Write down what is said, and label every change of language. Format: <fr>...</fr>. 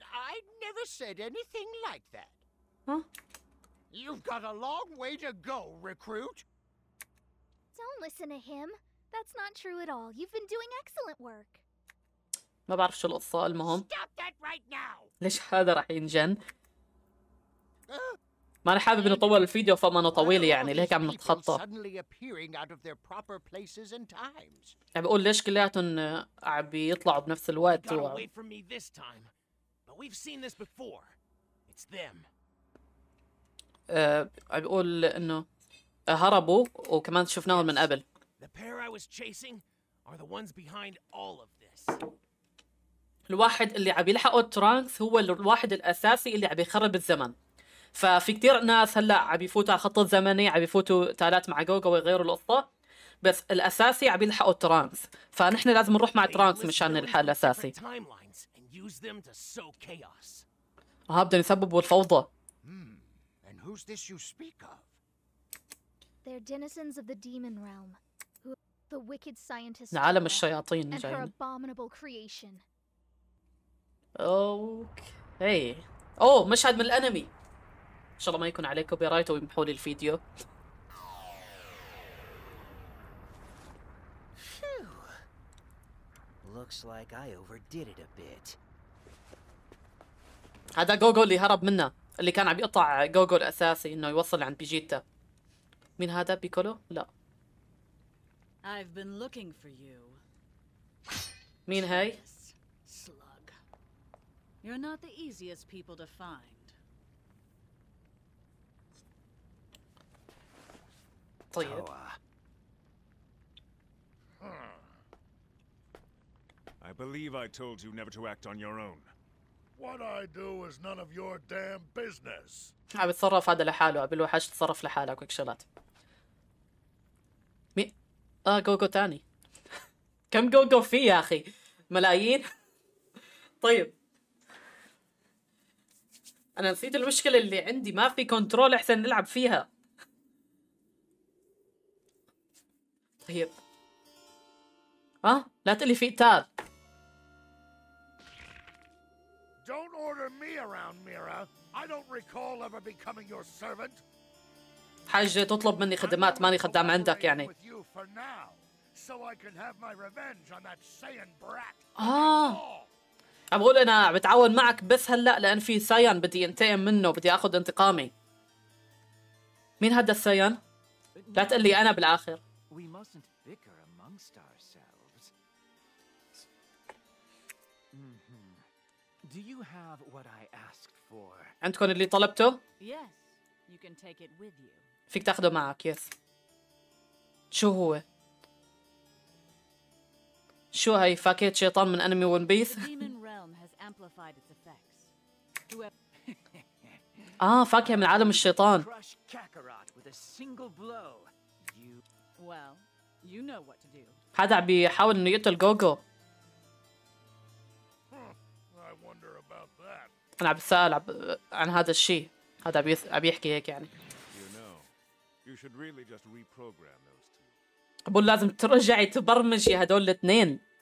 <en>I never said anything like that. You've got a long way to go, recruit. Don't listen to him. That's not true at all. You've been doing excellent work.</en> <ar>ما بعرف شو القصة، المهم.</ar> <en>Stop that right now.</en> <ar>ليش هذا راح ينجن؟ ما أنا حابب نطول الفيديو فما نطويل يعني، لهيك عم نتخطى.</ar> <en>Suddenly appearing out of their proper places and times.</en> <ar>عم بقول ليش كلياتهم عم بيطلعوا بنفس الوقت</ar> <en>و... Away from me this time. We've seen this before. It's them.</en> <ar>عم بيقول انه هربوا وكمان شفناهم من قبل.</ar> <en>The pair I was chasing are the ones behind all of this.</en> <ar>الواحد اللي عم يلحقه ترانكس هو الواحد الاساسي اللي عم يخرب الزمن. ففي كثير ناس هلا عم يفوتوا على خط الزمني، عم يفوتوا تالات مع جوجا ويغيروا القصه، بس الاساسي عم يلحقه ترانكس. فنحن لازم نروح مع ترانكس مشان نلحق الاساسي.</ar> <en>Use them to sow chaos.</en> <ar>ها بدهم يسببوا الفوضى.</ar> <en>And who's this you speak of? They're denizens of the demon realm. Who the wicked scientist.</en> <ar>عالم الشياطين جاي.</ar> <en>And her abominable creation. Okay.</en> <ar>Oh, مشهد من الانمي. ان شاء الله ما يكون عليه كوبي رايت ويمحوا لي الفيديو.</ar> <en>Looks like I overdid it a bit.</en> <ar>هذا جوجو اللي هرب منه، اللي كان عم يقطع جوجو الأساسي إنه يوصل عند بيجيتا. مين هذا؟ بيكولو؟ لا.</ar> <en>I've been looking for you.</en> <ar>مين هاي؟</ar> <en>Slug. You're not the easiest people to find.</en> <ar>طيب.</ar> <en>I believe I told you never to act on your own. What I do is none of your damn business.</en> <ar>عم يتصرف هذا لحاله، عم بيلوحش تصرف لحالك وكشلات. مي؟ جوجو تاني. كم جوجو فيه يا أخي؟ ملايين؟ طيب. أنا نسيت المشكلة اللي عندي، ما في كنترول أحسن نلعب فيها. طيب. لا تقلي في إتال.</ar> <en>Don't order me around, Mira. I don't recall ever becoming your servant.</en> <ar>حاجة تطلب مني خدمات، ماني خدام عندك يعني. With you for now, so I can have my revenge on that Saiyan brat. عم بقول أنا بتعاون معك بس هلأ لأن في سايان بدي انتقم منه، بدي أخذ انتقامي. مين هذا السايان؟ لا تقل لي أنا بالآخر.</ar> <en>We mustn't bicker amongst ourselves. Do you have what I asked for?</en> <ar>عندكم اللي طلبته؟</ar> <en>Yes, you can take it with you.</en> <ar>فيك تاخده معك. Yes. شو هو؟ شو هاي فاكهة شيطان من انمي ون بيس؟</ar> <en>Demon Realm has amplified its effects.</en> <ar>فاكهة من عالم الشيطان.</ar> <en>Crush Kakarot with a single blow. You well, you know what to do.</en> <ar>حدا عم بيحاول انه يقتل جوجو. أنا عم بسأل عن هذا الشيء، هذا عم يحكي هيك يعني.</ar> <en>You know, you should really just reprogram those two.</en> <ar>بقول لازم ترجعي تبرمجي هدول الاثنين.</ar>